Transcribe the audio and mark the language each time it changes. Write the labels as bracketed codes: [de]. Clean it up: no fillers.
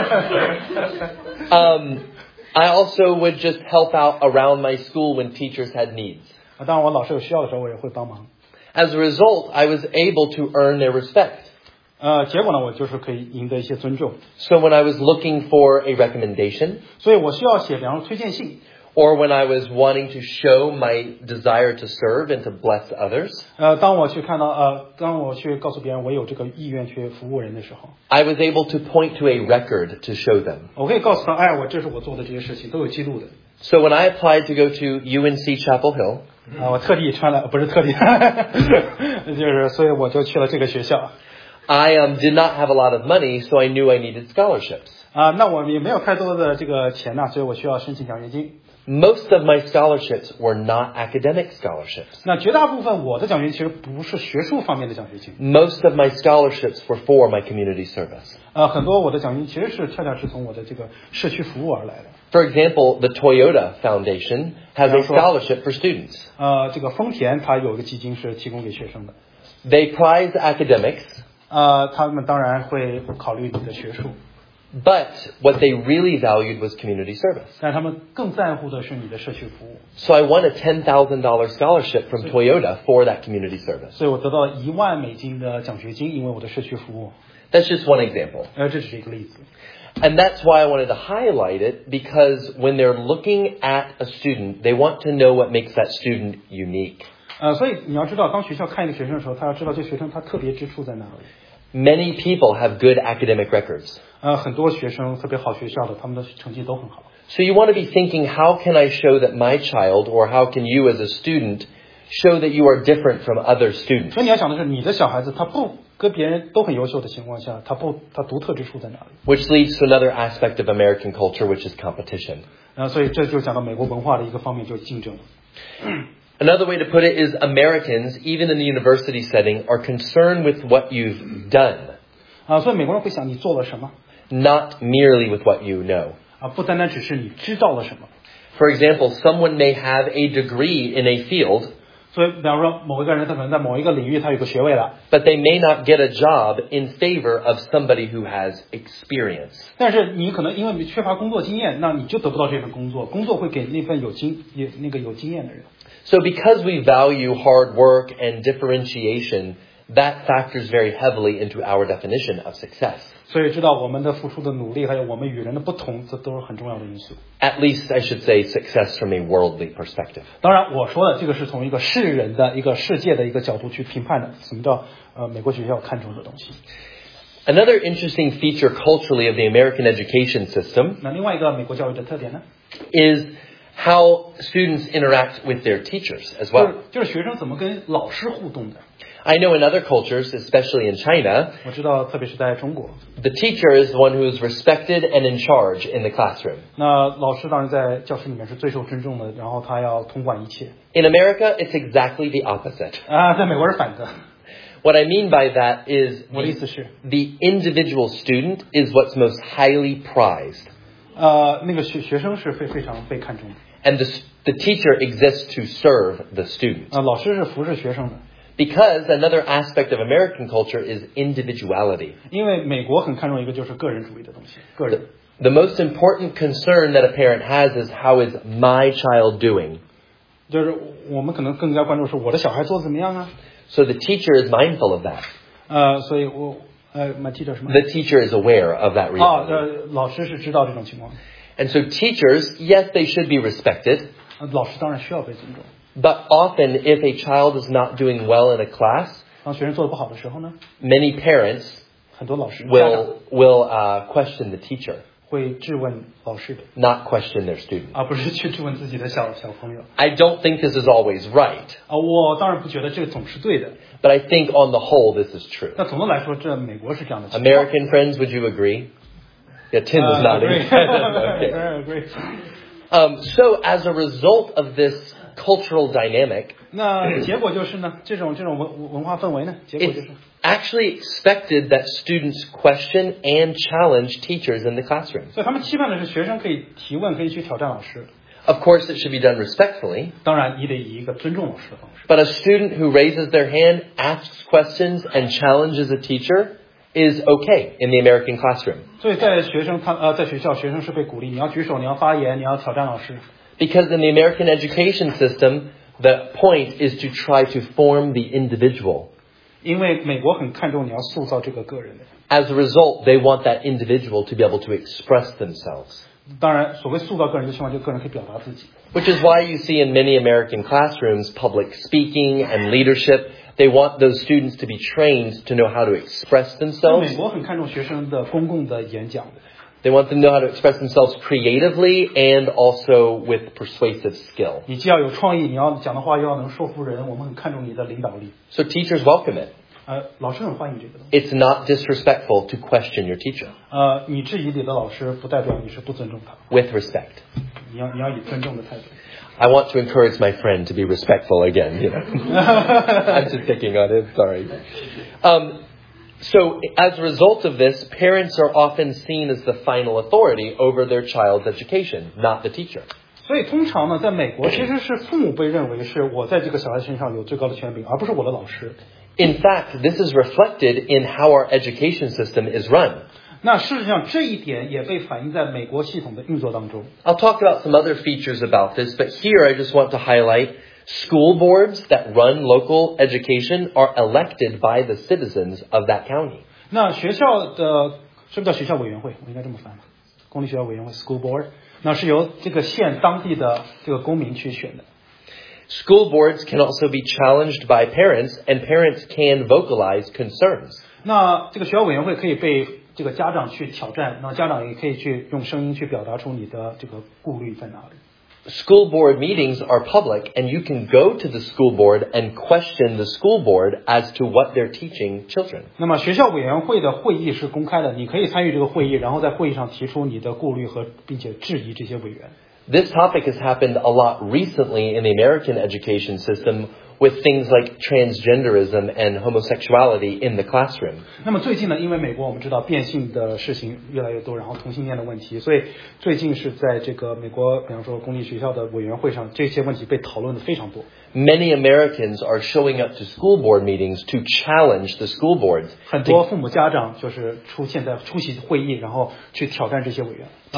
[en] I also would just help out around my school when teachers had needs. [zh] 当然，我老师有需要的时候，我也会帮忙。 [en] As a result, I was able to earn their respect. [zh] 结果呢，我就是可以赢得一些尊重。 [en] So when I was looking for a recommendation, [zh] 所以我需要写，比方说推荐信。 [en] Or when I was wanting to show my desire to serve and to bless others, [zh] 当我去告诉别人我有这个意愿去服务人的时候 [en] ，I was able to point to a record to show them. [zh] 我可以告诉他，哎，我这是我做的这些事情都有记录的。 [en] So when I applied to go to UNC Chapel Hill. [zh] 我特地穿了，不是特地，就是所以我就去了这个学校。 [en] I did not have a lot of money, so I knew I needed scholarships. [zh] 那我也没有太多的这个钱呢，所以我需要申请奖学金。 [en] Most of my scholarships were not academic scholarships. [zh] 那绝大部分我的奖学金其实不是学术方面的奖学金。 [en] Most of my scholarships were for my community service. [zh] 很多我的奖学金其实是恰恰是从我的这个社区服务而来的。 [en] For example, the Toyota Foundation has a scholarship for students. [zh] 这个丰田它有一个基金是提供给学生的。 [en] They prize academics. [zh] 他们当然会考虑你的学术。 [en] But what they really valued was community service. [zh] 但他们更在乎的是你的社区服务。 [en] So I won a $10,000 scholarship from Toyota for that community service. [zh] 所以我得到$10,000的奖学金，因为我的社区服务。 [en] That's just one example. [zh] 这只是一个例子。 [en] And that's why I wanted to highlight it, because when they're looking at a student, they want to know what makes that student unique. [zh] 所以你要知道，当学校看一个学生的时候，他要知道这学生他特别之处在哪里。 [en] Many people have good academic records. [zh] 很多学生特别好学校的，他们的成绩都很好。 [en] So you want to be thinking, how can I show that my child, or how can you as a student, show that you are different from other students? [zh] 所以你要想的是，你的小孩子他不跟别人都很优秀的情况下，他独特之处在哪里 [en] ？Which leads to another aspect of American culture, which is competition. [zh] 所以这就讲到美国文化的一个方面，就是竞争。 [en] Another way to put it is Americans, even in the university setting, are concerned with what you've done. [zh] 所以美国人会想你做了什么 [en] ？Not merely with what you know. [zh] 不单单只是你知道了什么。 [en] For example, someone may have a degree in a field. [zh] 所以比方说某一个人他可能在某一个领域他有个学位了。 [en] But they may not get a job in favor of somebody who has experience. [zh] 但是你可能因为你缺乏工作经验，那你就得不到这份工作。工作会给那份有经验的人。 [en] So because we value hard work and differentiation, that factors very heavily into our definition of success. [zh] 所以知道我们的付出的努力还有我们与人的不同，这都是很重要的因素。 [en] At least I should say success from a worldly perspective. [zh] 当然我说的这个是从一个世人的一个世界的一个角度去评判的，什么叫美国学校看重的东西。 [en] Another interesting feature culturally of the American education system. [zh] 那另外一个美国教育的特点呢 [en] ？Is How students interact with their teachers as well. [zh] 就是学生怎么跟老师互动的。 [en] I know in other cultures, especially in China, [zh] 我知道特别是在中国。 [en] The teacher is the one who is respected and in charge in the classroom. [zh] 那老师当然在教室里面是最受尊重的，然后他要统管一切。 [en] In America, it's exactly the opposite. [zh] 在美国是反的。 [en] What I mean by that is, [zh] 我的意思是 [en] the individual student is what's most highly prized. [zh] 那个学生是非常被看重的。 [en] And the teacher exists to serve the student. [zh] 老师是服侍学生的。 [en] Because another aspect of American culture is individuality. [zh] 因为美国很看重一个就是个人主义的东西，个人。 [en] The, The most important concern that a parent has is how is my child doing? [zh] 就是我们可能更加关注是我的小孩做得怎么样啊？ [en] So the teacher is mindful of that. [zh] 所以我 [en] my teacher [zh] 什么？ [en] The teacher is aware of that reality. [zh] 老师是知道这种情况。 [en] And so teachers, yes, they should be respected. [zh] 老师当然需要被尊重。 [en] But often, if a child is not doing well in a class, [zh] 当学生做得不好的时候呢？ [en] Many parents, [zh] 很多老师 [en] will question the teacher. [zh] 会质问老师的 [en] not question their student. [zh] 而不是去质问自己的小朋友 [en] I don't think this is always right. [zh] 我当然不觉得这个总是对的 [en] But I think on the whole this is true. [zh] 那总的来说这美国是这样的情况 [en] American friends, would you agree? Yeah, Tim is nodding. Agree. Okay. So as a result of this cultural dynamic, [zh] 那结果就是呢这种文化氛围呢结果就是 [en] actually expected that students question and challenge teachers in the classroom. [zh] 所以他们期盼的是学生可以提问，可以去挑战老师。 [en] Of course, it should be done respectfully. [zh] 当然，你得以一个尊重老师的方式。 [en] But a student who raises their hand, asks questions, and challenges a teacher is okay in the American classroom. [zh] 所以在学生在学校，学生是被鼓励，你要举手，你要发言，你要挑战老师。 [en] Because in the American education system, the point is to try to form the individual. [zh] 因为美国很看重你要塑造这个个人的。 [en] As a result, they want that individual to be able to express themselves. [zh] 当然，所谓塑造个人的情况，就个人可以表达自己。 [en] Which is why you see in many American classrooms public speaking and leadership. They want those students to be trained to know how to express themselves. [zh] 美国很看重学生的公共的演讲的。 [en] They want them to know how to express themselves creatively and also with persuasive skill. [zh] 你既要有创意，你要讲的话又要能说服人，我们很看重你的领导力。 [en] So teachers welcome it. [zh] 老师很欢迎这个东西。 [en] It's not disrespectful to question your teacher. [zh] 你质疑你的老师不代表你是不尊重他。 [en] With respect. [zh] 你要以尊重的态度。 [en] I want to encourage my friend to be respectful again. You know. I'm just picking on him. Sorry. So as a result of this, parents are often seen as the final authority over their child's education, not the teacher. [zh] 所以通常呢，在美国其实是父母被认为是我在这个小孩身上有最高的权柄，而不是我的老师。 [en] In fact, this is reflected in how our education system is run. [zh] 那事实上这一点也被反映在美国系统的运作当中。 [en] I'll talk about some other features about this, but here I just want to highlight. School boards that run local education are elected by the citizens of that county. [zh] 那学校的是不是叫学校委员会？我应该这么翻吧。公立学校委员会 school board， 那是由这个县当地的这个公民去选的。 [en] School boards can also be challenged by parents, and parents can vocalize concerns. [zh] 那这个学校委员会可以被这个家长去挑战，那家长也可以去用声音去表达出你的这个顾虑在哪里。 [en] School board meetings are public, and you can go to the school board and question the school board as to what they're teaching children. [zh] 那么学校委员会的会议是公开的，你可以参与这个会议，然后在会议上提出你的顾虑和并且质疑这些委员。 [en] This topic has happened a lot recently in the American education system with things like transgenderism and homosexuality in the classroom. [zh] 那么最近呢，因为美国我们知道变性的事情越来越多，然后同性恋的问题，所以最近是在这个美国，比方说公立学校的委员会上，这些问题被讨论的非常多。 [en] Many Americans are showing up to school board meetings to challenge the school boards. [zh] 很多父母家长就是出席会议，然后去挑战这些委员。